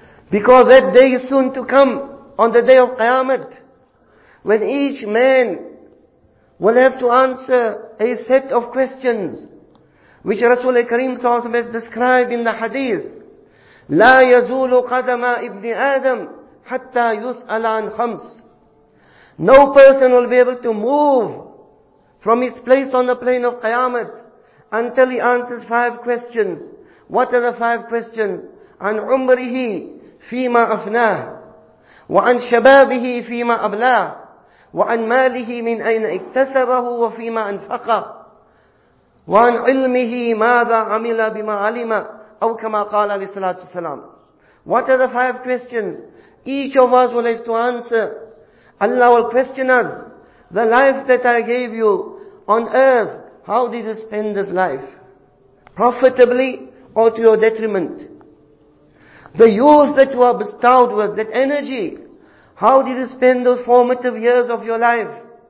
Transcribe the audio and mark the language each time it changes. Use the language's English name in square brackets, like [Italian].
[English] Because that day is soon to come, on the day of Qiyamah, when each man will have to answer a set of questions, which Rasul Kareem SAW has described in the hadith. [Arabic] لا يزول قدم ابن آدم حتى يسأل عن خمس. [English] No person will be able to move from his place on the plane of Qiyamah until he answers five questions. What are the five questions? [Arabic] عن عمره فيما أفناه وعن شبابه فيما أبلاه وعن ماله من أين اكتسبه وفيما أنفقه وعن علمه ماذا عمل بما علم أو كما قال عليه الصلاة والسلام. [English] What are the five questions? Each of us will have to answer. Allah will question us. The life that I gave you on earth, how did you spend this life? Profitably or to your detriment? The youth that you are bestowed with, that energy, how did you spend those formative years of your life?